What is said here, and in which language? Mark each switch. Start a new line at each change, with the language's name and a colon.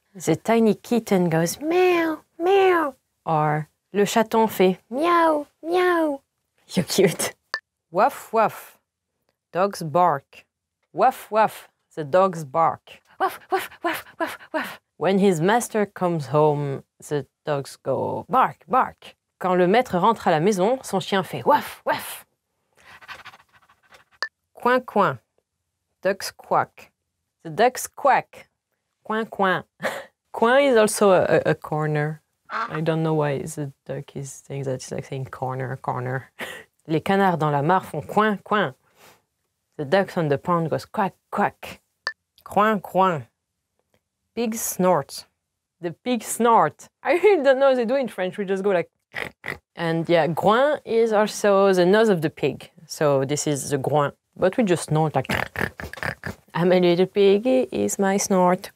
English: The tiny kitten goes meow, meow. Or
French: le chaton fait meow, meow.
English: You're cute. Woof, woof. Dogs bark. Woof, woof. The dogs bark. Woof, woof, woof, woof, woof. When his master comes home, the dogs go bark, bark.
French: Quand le maître rentre à la maison, son chien fait woof, woof.
English: Coin, coin. Ducks quack. The ducks quack. Coin, coin. Coin is also a corner. I don't know why the duck is saying that. It's like saying corner, corner.
French: Les canards dans la mare font coin, coin.
English: The ducks on the pond goes quack, quack. Coin, coin. Pig snort. The pig snort. I really don't know what they do in French. We just go like... And yeah, groin is also the nose of the pig. So this is the groin. But we just snort like... I'm a little piggy, is my snort.